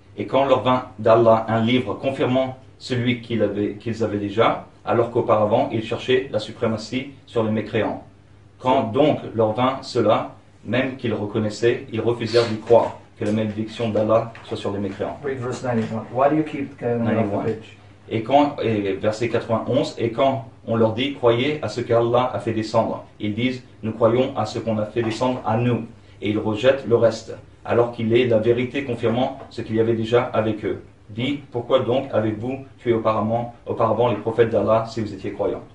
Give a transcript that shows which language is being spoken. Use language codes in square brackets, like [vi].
[fr] Et quand leur vint d'Allah un livre confirmant celui qu'ils avaient déjà, alors qu'auparavant ils cherchaient la suprématie sur les mécréants. Quand donc leur vint cela, même qu'ils reconnaissaient, ils refusèrent d'y croire. Que la malédiction d'Allah soit sur les mécréants. [en] Read verse 91. Why do you keep coming off the page? [fr] Et verset 91. Et quand on leur dit, croyez à ce qu'Allah a fait descendre, ils disent, nous croyons à ce qu'on a fait descendre à nous. Et ils rejettent le reste, alors qu'il est la vérité confirmant ce qu'il y avait déjà avec eux. Dis, pourquoi donc avez-vous tué auparavant les prophètes d'Allah si vous étiez croyants?